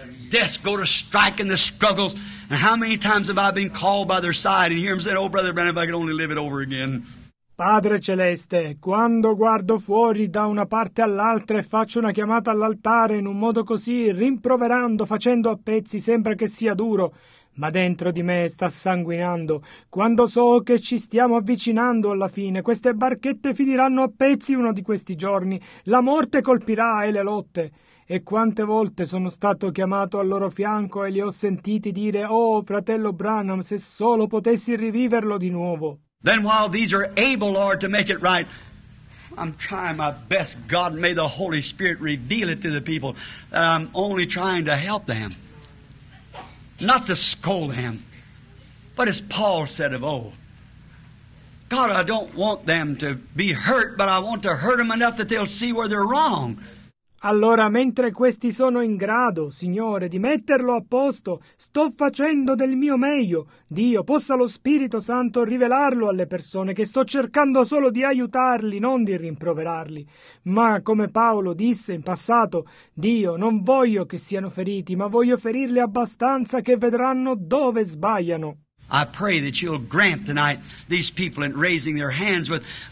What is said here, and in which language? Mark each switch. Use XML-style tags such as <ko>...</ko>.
<en>Deaths go to strike in the struggles. And how many times have I been called by their side and hear them say, oh, Brother Branham, if I could only live it over again.</en> <it>Padre Celeste, quando guardo fuori da una parte all'altra e faccio una chiamata all'altare in un modo così, rimproverando, facendo a pezzi, sembra che sia duro, ma dentro di me sta sanguinando. Quando so che ci stiamo avvicinando alla fine, queste barchette finiranno a pezzi uno di questi giorni, la morte colpirà e le lotte. E quante volte sono stato chiamato al loro fianco e li ho sentiti dire, oh, fratello Branham, se solo potessi riviverlo di nuovo.</it> <en>Then while these are able, Lord, to make it right, I'm trying my best, God, may the Holy Spirit reveal it to the people, that I'm only trying to help them, not to scold them. But as Paul said of old, God, I don't want them to be hurt, but I want to hurt them enough that they'll see where they're wrong.</en> <it>Allora, mentre questi sono in grado, Signore, di metterlo a posto, sto facendo del mio meglio. Dio, possa lo Spirito Santo rivelarlo alle persone, che sto cercando solo di aiutarli, non di rimproverarli. Ma, come Paolo disse in passato, Dio, non voglio che siano feriti, ma voglio ferirli abbastanza che vedranno dove sbagliano.</it> <en>I pray that you'll grant tonight these people in raising their hands with...</en>